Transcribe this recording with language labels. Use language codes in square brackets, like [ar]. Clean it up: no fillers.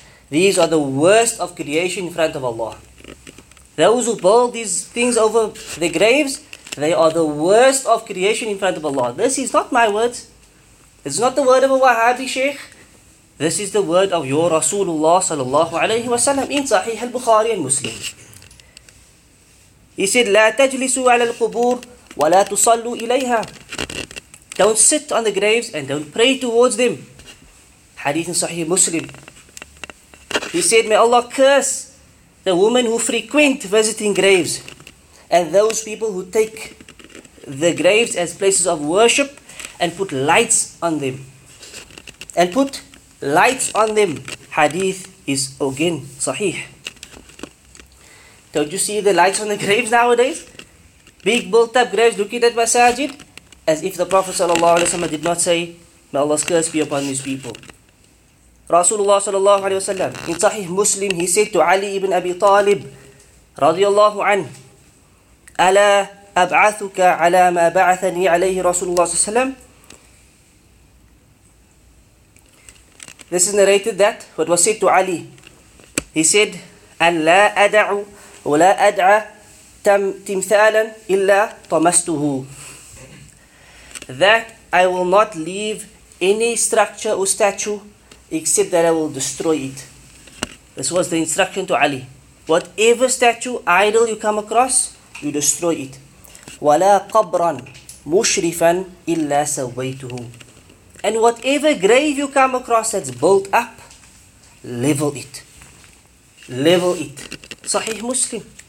[en] These are the worst of creation in front of Allah. Those who build these things over the graves, they are the worst of creation in front of Allah. This is not my words. It's not the word of a Wahhabi sheikh. This is the word of your Rasulullah sallallahu alayhi wa sallam in Sahih al-Bukhari and Muslim. He said, [ar] لا تجلسوا على القبور ولا تصلوا إليها. [en] Don't sit on the graves and don't pray towards them. Hadith in Sahih Muslim. He said, may Allah curse the women who frequent visiting graves and those people who take the graves as places of worship and put lights on them. And put lights on them. Hadith is again Sahih. Don't you see the lights on the graves nowadays? Big built-up graves looking at masajid, as if the Prophet sallallahu alaihi wasallam did not say, may Allah's curse be upon these people. Rasulullah sallallahu alaihi wasallam in Sahih Muslim, he said to Ali ibn Abi Talib radiyallahu anhu, [ar] ألا أبعثك على ما بعثني عليه رسول الله صلى الله عليه وسلم. [en] This is narrated that what was said to Ali. He said, [ar] أن لا أدع ولا أدع تمثالا إلا طمسته. [en] That I will not leave any structure or statue except that I will destroy it. This was the instruction to Ali. Whatever statue, idol you come across, you destroy it. [ar] وَلَا قَبْرًا مُشْرِفًا إِلَّا سَوَّيْتُهُ [en] And whatever grave you come across that's built up, level it. Level it. Sahih Muslim.